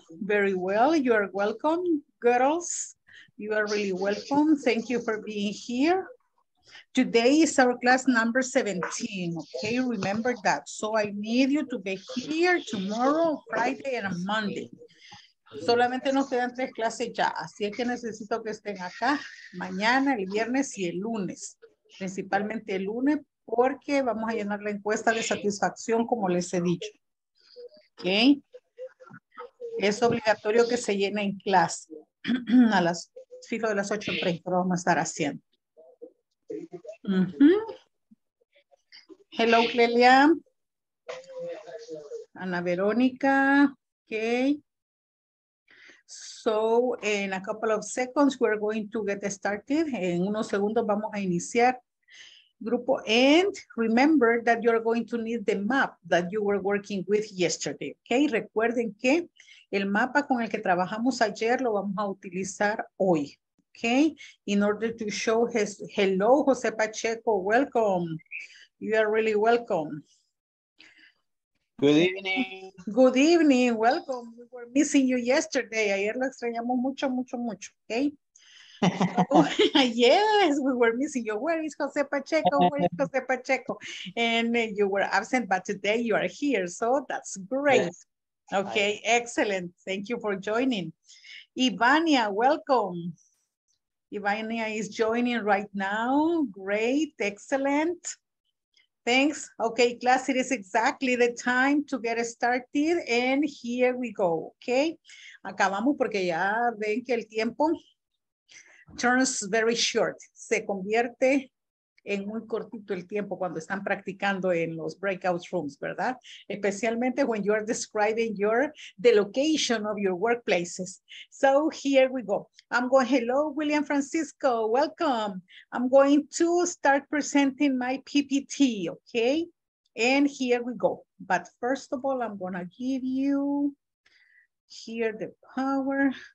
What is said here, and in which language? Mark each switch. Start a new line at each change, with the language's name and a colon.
English: Very well, you are welcome, girls. You are really welcome. Thank you for being here. Today is our class number 17, okay? Remember that. So I need you to be here tomorrow, Friday and Monday.
Spanish: Solamente nos quedan tres clases ya, así es que necesito que estén acá mañana, el viernes y el lunes. Principalmente el lunes, porque vamos a llenar la encuesta de satisfacción, como les he dicho. Ok. Es obligatorio que se llene en clase. A las filo de las 8:30 lo vamos a estar haciendo.
English: Hello, Clelia. Ana Verónica. Ok. So, in a couple of seconds, we're going to get started.
Spanish: En unos segundos vamos a iniciar, grupo.
English: And remember that you're going to need the map that you were working with yesterday.
Spanish: Okay, recuerden que el mapa con el que trabajamos ayer lo vamos a utilizar hoy.
English: Okay, in order to show his, hello, Jose Pacheco, welcome. You are really welcome. Good evening. Good evening. Welcome. We were missing you yesterday.
Spanish: Ayer lo extrañamos mucho, mucho, mucho. Okay.
English: Yes, we were missing you. Where is Jose Pacheco? Where is Jose Pacheco? And you were absent, but today you are here. So that's great. Yes. Okay. Hi. Excellent. Thank you for joining. Ivania, welcome. Ivania is joining right now. Great. Excellent. Thanks. Okay, class, it is exactly the time to get started and here we go, okay?
Spanish: Acabamos porque ya ven que el tiempo
English: turns very short.
Spanish: Se convierte en muy cortito el tiempo cuando están practicando en los breakout rooms, ¿verdad?
English: Especialmente when you are describing your, the location of your workplaces. So here we go. I'm going, hello, William Francisco, welcome. I'm going to start presenting my PPT, okay? And here we go. But first of all, I'm gonna give you here the power.